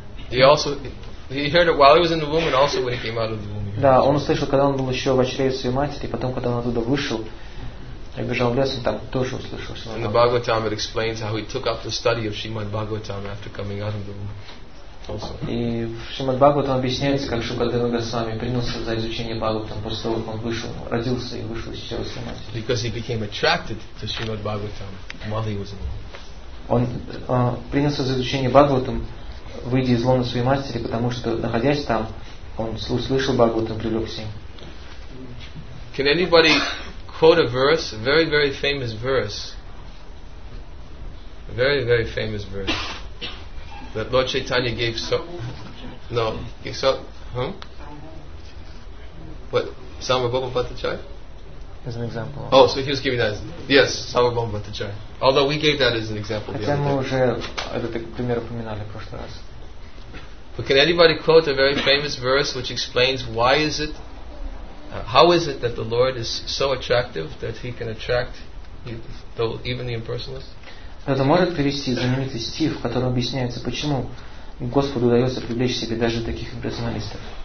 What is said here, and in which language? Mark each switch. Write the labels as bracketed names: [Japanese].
[English] He heard it while he was in the womb, and also when he came out of the womb. [Russian] Да, он услышал, когда он был еще в чреве своей матери, и потом, когда он оттуда вышел и бежал в лес, он там тоже услышал. [English] In the Bhagavatam, it explains how he took up the study of Shrimad Bhagavatam after coming out of the womb. [Russian] И в Шримад Бхагаватам объясняется, как Шукадева Госвами принялся за изучение Бхагаватам после того, как он вышел, родился и вышел из чрева своей матери. [English] Because he became attracted to Shrimad Bhagavatam while he was in the womb. [Russian] Он принялся за изучение Бхагаватам, выйдя из лона своей матери, потому что, находясь там, он услышал Бхагаватам и привлекся. [English] Can anybody quote a verse, a very, very famous verse? A very, very famous verse. That Lord Chaitanya gave so, no, gave so, huh? What, Samarbhauma Bhattacharya? As an example. Oh, so he was giving that as, yes, Samarbhauma Bhattacharya. Although we gave that as an example the other day. [Russian] Хотя мы уже этот пример упоминали в прошлый раз. [English] But can anybody quote a very famous verse which explains why is it, how is it that the Lord is so attractive that he can attract even the impersonalists? [Russian] Это может привести знаменитый стих, в котором объясняется, почему Господу удается привлечь к себе даже таких имперсоналистов.